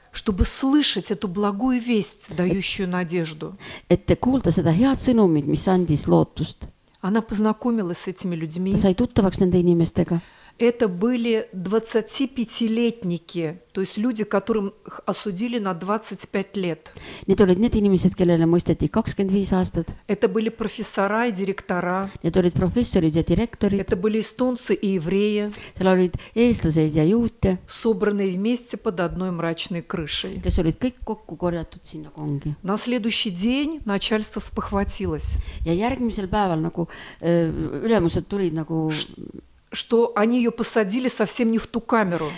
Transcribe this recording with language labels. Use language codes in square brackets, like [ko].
[ru] Чтобы слышать эту благую весть, дающую надежду. [et] Et kuulda seda head sõnumit, mis andis lootust. [ru] Она познакомилась с этими людьми. [et] Sai tuttavaks nende inimestega. [ru] Это были 25-летники, то есть люди, которым осудили на 25 лет. [et] Need olid need inimesed, kellele mõisteti 25 aastat. [ru] Это были профессора и директора. [et] Need olid professorid ja direktorid. [ru] Это были эстонцы и евреи. [et] Seal olid eestlased ja juute. [ru] Собранные вместе под одной мрачной крышей. [et] Kes olid kõik kokku korjatud sinna kongi. [ru] На следующий день начальство спохватилось. [et] Ja järgmisel päeval nagu ülemused tulid nagu... [ru] Что они ее посадили совсем не в ту камеру.